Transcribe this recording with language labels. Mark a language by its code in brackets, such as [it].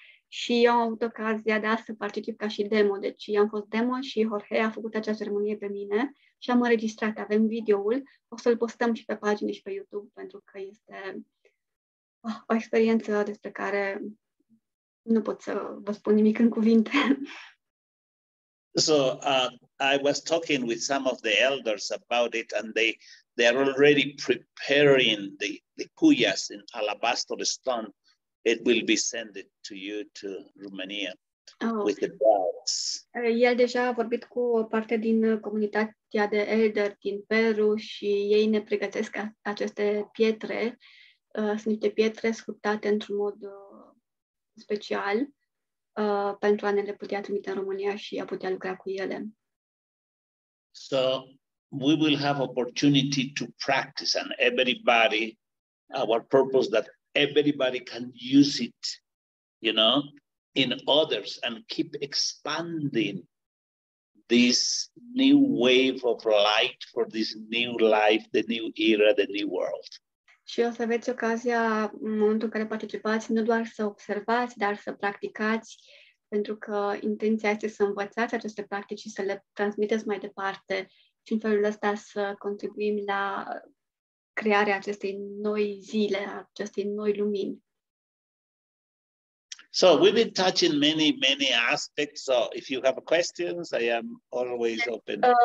[ro] Și eu am avut ocazia de a să particip ca și demo. Deci, eu am fost demo și Jorge a făcut acea ceremonie pe mine și am înregistrat. Avem videoul. O să-l postăm și pe pagine și pe YouTube pentru că este o experiență despre care nu pot să vă spun nimic în cuvinte. [en] So, I was talking with some of the elders about it and they are already preparing the kuyas in alabaster stone. It will be sent to you to Romania with the bells. [ro] El deja a vorbit cu o parte din comunitatea de elder din Peru și ei ne pregătesc aceste pietre. Sunt niște pietre sculptate într-un mod special pentru a ne le putea trimite în România și a putea lucra cu ele. [en] So we will have opportunity to practice and everybody, our purpose that everybody can use it, you know, in others and keep expanding this new wave of light for this new life, the new era, the new world. [ro] Și o să aveți ocazia în momentul în care participați, nu doar să observați, dar să practicați, pentru că intenția este să învățați aceste practici și să le transmiteți mai departe și în felul ăsta să contribuim la crearea acestei noi zile, acestei noi lumini. [en] So we've been touching many, many aspects. So if you have questions, I am always open.